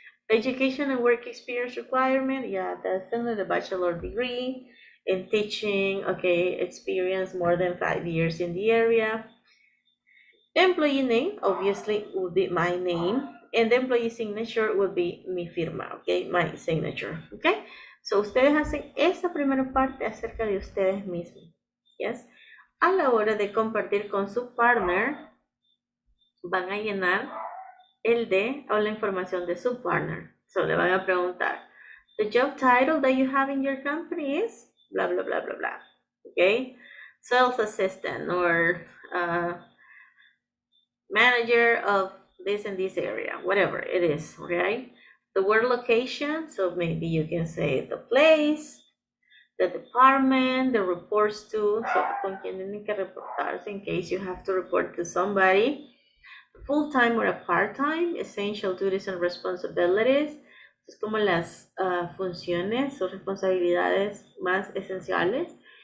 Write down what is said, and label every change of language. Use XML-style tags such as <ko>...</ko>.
<en>Education and work experience requirement, yeah, definitely the bachelor degree in teaching, okay, experience more than 5 years in the area. Employee name, obviously, would be my name. And the employee signature would be</en> <es>mi firma,</es> <en>okay? My signature, okay?</en> <es>So ustedes hacen esa primera parte acerca de ustedes mismos,</es> <en>yes?</en> <es>A la hora de compartir con su</es> <en>partner,</en> <es>van a llenar el de, o la información de su partner. So le van a preguntar,</es> <en>the job title that you have in your company is, bla, bla, bla, bla, bla, okay? Sales assistant or manager of this and this area, whatever it is, right? The word location, so maybe you can say the place, the department, the reports to,</en> <es>so con quien tienen que reportarse</es> <en>in case you have to report to somebody, full-time or a part-time, essential duties and responsibilities,</en> <es>es como las funciones o responsabilidades más esenciales.</es>